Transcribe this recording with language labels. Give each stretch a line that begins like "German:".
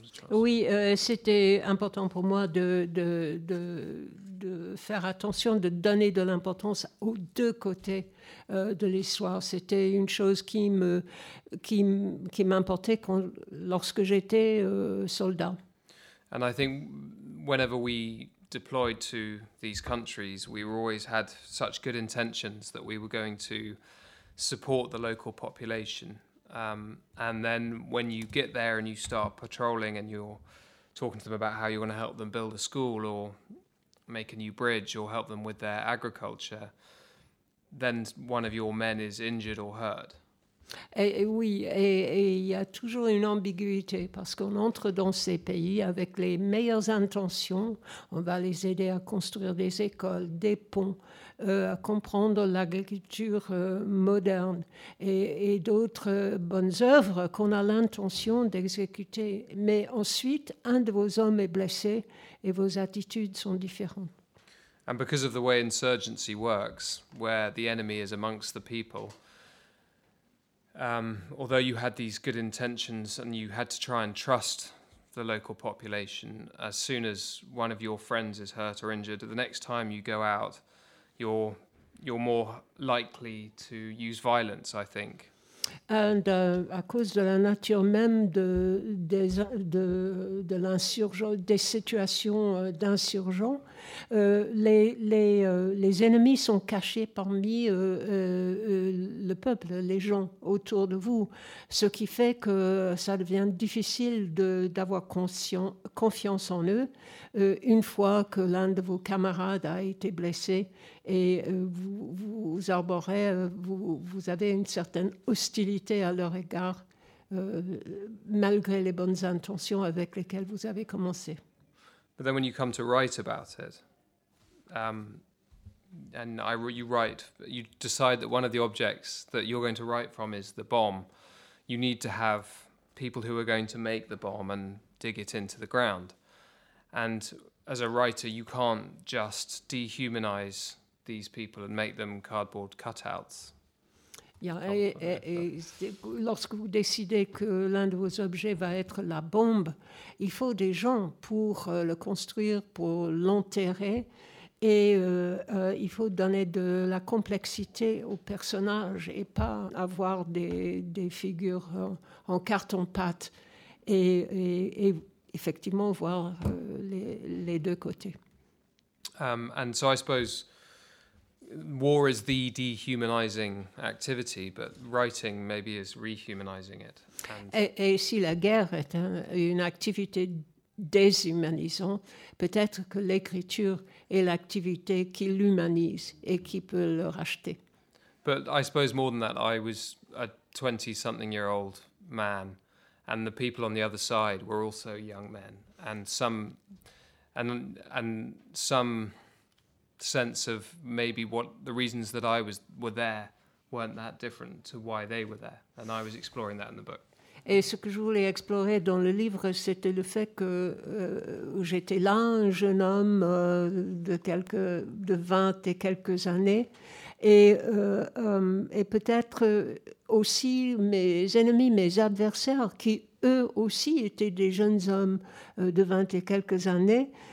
French: Oui, c'était important pour moi de faire attention, de donner de l'importance aux deux côtés de l'histoire. C'était une chose qui m'importait lorsque j'étais soldat.
English: And I think whenever we deployed to these countries, we always had such good intentions that we were going to support the local population. And then when you get there and you start patrolling and you're talking to them about how you're going to help them build a school or make a new bridge or help them with their agriculture, then one of your men is injured or hurt.
French: Et il y a toujours une ambiguïté parce qu'on entre dans ces pays avec les meilleures intentions. On va les aider à construire des écoles, des ponts, à comprendre l'agriculture moderne et d'autres bonnes œuvres qu'on a l'intention d'exécuter. Mais ensuite, un de vos hommes est blessé et vos attitudes sont différentes.
English: And because of the way insurgency works, where the enemy is amongst the people, although you had these good intentions and you had to try and trust the local population, as soon as one of your friends is hurt or injured, the next time you go out, you're more likely to use violence, I think.
French: And à cause de la nature même de l'insurgent, des situations d'insurgents, les ennemis sont cachés parmi le peuple, les gens autour de vous, ce qui fait que ça devient difficile d'avoir confiance en eux une fois que l'un de vos camarades a été blessé. Et vous arborez, vous avez une certaine hostilité à leur égard, malgré les bonnes intentions avec lesquelles vous avez commencé.
English: But then when you come to write about it, and I, you write, you decide that one of the objects that you're going to write from is the bomb, you need to have people who are going to make the bomb and dig it into the ground. And as a writer, you can't just dehumanize these people and make them cardboard cutouts.
French: Yeah, et lorsque vous décidez que l'un de vos objets va être la bombe, il faut des gens pour le construire, pour l'enterrer, et il faut donner de la complexité au personnage et pas avoir des figures en carton-pâte et effectivement voir les deux côtés.
English: And so I suppose war is the dehumanizing activity, but writing maybe is rehumanizing it.
French: Et si la guerre est une activité déshumanisante, peut-être que l'écriture est l'activité qui l'humanise et qui peut le racheter.
English: But I suppose more than that, I was a 20-something-year-old man, and the people on the other side were also young men, and some. Sense of maybe what the reasons that I was were there weren't that different to why they were there, and I was exploring that in the book.
French: Et ce que je voulais explorer dans le livre, c'était le fait que j'étais là, un jeune homme de 20 et quelques années, et peut-être aussi mes ennemis, mes adversaires, qui eux aussi étaient des jeunes hommes de 20 et quelques années,